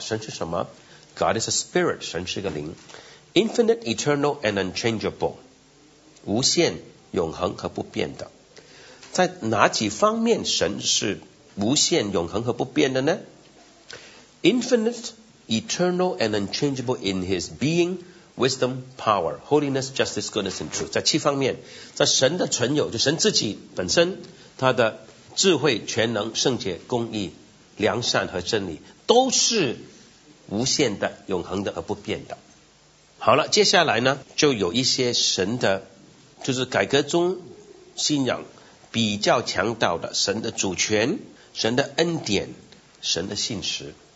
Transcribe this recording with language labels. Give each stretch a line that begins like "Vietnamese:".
Chinese: 神是什么 ？
English: God is a spirit，
Chinese: 神是个灵 ，
English: infinite, eternal and unchangeable，
Chinese: 无限、永恒和不变的。在哪几方面神是无限、永恒和不变的呢 ？
English: Infinite, eternal and unchangeable in His being。 Wisdom, power, holiness, justice, goodness, and truth.
Chinese: 在七方面，在神的存有，就神自己本身，他的智慧、全能、圣洁、公义、良善和真理，都是无限的、永恒的而不变的。好了，接下来呢，就有一些神的，就是改革中信仰比较强调的神的主权、神的恩典、神的信实。